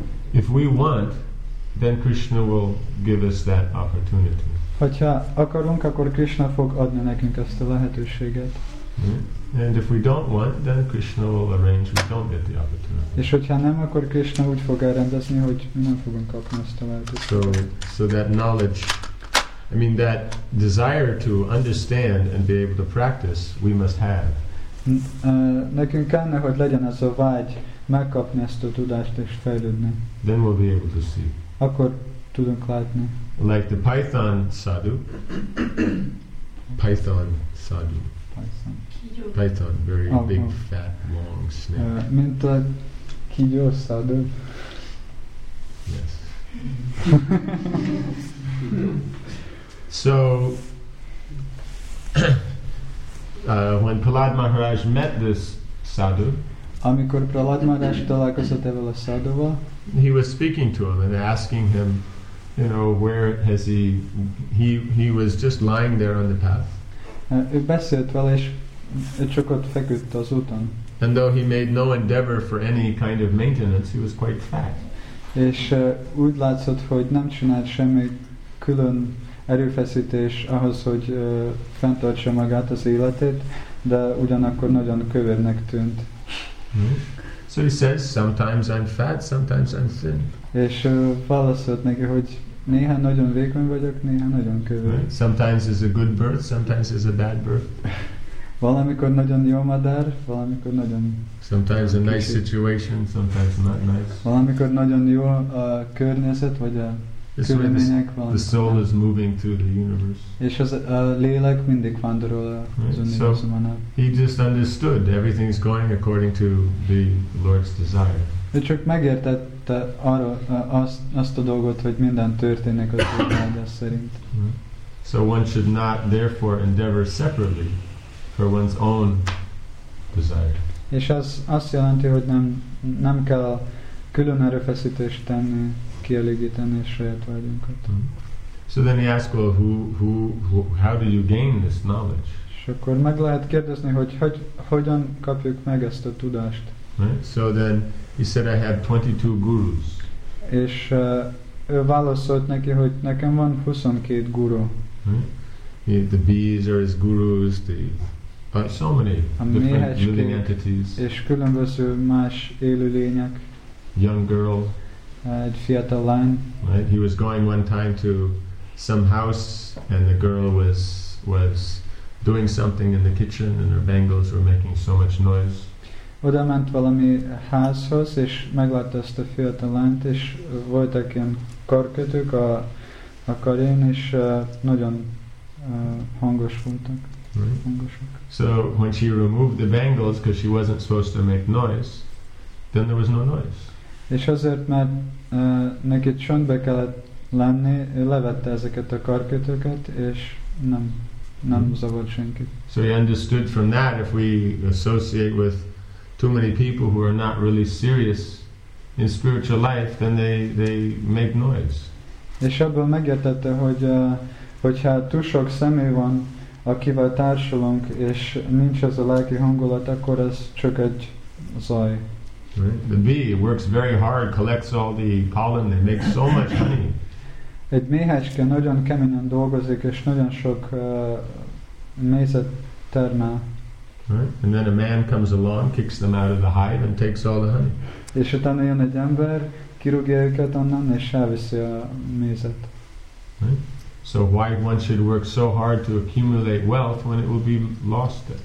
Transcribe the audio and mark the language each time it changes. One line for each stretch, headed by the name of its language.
English: If we want, then Krishna will give us that opportunity.
Hungarian: Hogyha akarunk, akkor Krishna fog adni nekünk ezt a lehetőséget.
English: And if we don't want, then Krishna will arrange we don't get the opportunity.
Hungarian: És hogyha nem, akkor Krishna úgy fog elrendezni, hogy mi nem fogunk kapni ezt a lehetőséget.
English: So that knowledge, I mean that desire to understand and be able to practice, we must have.
Hungarian: Nekünk kellene, hogy legyen ez a vágy megkapni ezt a tudást és fejlődni.
English: Then we'll be able to see.
Hungarian: Akkor tudunk látni.
English: Like the Python sadhu. Python sadhu. Python, very big, fat, long snake.
Hungarian: Mint a kígyó sadhu.
English: Yes. So, when Prahlad Maharaj met this sadhu,
Hungarian: amikor Prahlad Maharaj találkozott ezzel a sadhuval,
English: he was speaking to him and asking him, you know, where has he was just lying there on the path.
Hungarian: Ő beszélt vele, és csak ott feküdt az úton.
English: And though he made no endeavor for any kind of maintenance, he was quite fat.
Hungarian: És úgy látszott, hogy nem csinált semmi külön erőfeszítés ahhoz, hogy fenntartsa magát az életét, de ugyanakkor nagyon kövérnek tűnt.
English: So he says, sometimes I'm fat, sometimes I'm thin.
Hungarian: És válaszolt neki, hogy néha nagyon vékony vagyok, néha nagyon kövér.
English: Right. Sometimes is a good birth, sometimes is a bad birth.
Hungarian: Valamikor nagyon jó madár, valamikor nagyon.
English: Sometimes a nice situation, sometimes not nice.
Hungarian: Valamikor nagyon jó a környezet vagy a körülmények, valamikor.
English: The soul is moving through the universe.
Hungarian: És az a lélek mindig vándorol az univerzumon.
English: He just understood everything is going according to the Lord's desire.
Hungarian: Ő csak megértette arra azt a dolgot, hogy minden történik az Úrnádás szerint.
English: So one should not therefore endeavor separately for one's own desire.
Hungarian: És az azt jelenti, hogy nem kell külön erőfeszítést tenni, kielégíteni saját vágyunkat.
English: So then he asks, well, who how do you gain this knowledge?
Hungarian: És akkor meg lehet kérdezni, hogy hogyan kapjuk meg ezt a tudást.
English: Right? So then he said, I have 22 gurus.
Hungarian: És ő válaszolt neki, hogy nekem van 22 guru.
English: Right? The bees are his gurus, so many different living entities.
Hungarian: És különböző más élőlények.
English: Young girl.
Hungarian: Egy fiatal lány.
English: Right? He was going one time to some house and the girl was doing something in the kitchen and her bangles were making so much noise.
Hungarian: Oda ment valami házhoz, és meglátta ezt a fiatal lányt, és voltak ilyen karkötők a karén, és nagyon hangos voltak.
English: Right. So when she removed the bangles, because she wasn't supposed to make noise, then there was no noise.
Hungarian: És azért, mert neki csöndbe kellett lenni, levette ezeket a karkötőket, és nem zavart senkit.
English: So he understood from that, if we associate with too many people who are not really serious in spiritual life, then they make noise.
Hungarian: És abból megértette, hogyha túl sok személy van, akivel társulunk, és nincs ez a lelki hangulat, akkor ez csak egy zaj.
English: Right? The bee works very hard, collects all the pollen, they make so much honey.
Hungarian: Egy méhecske nagyon keményen dolgozik, és nagyon sok mézet termel.
English: Right? And then a man comes along, kicks them out of the hive, and takes all the honey.
Hungarian: És utána jön egy ember, kirúgja őket onnan, és elviszi a mézet.
English: Right? So why one should work so hard to accumulate wealth when it will be lost?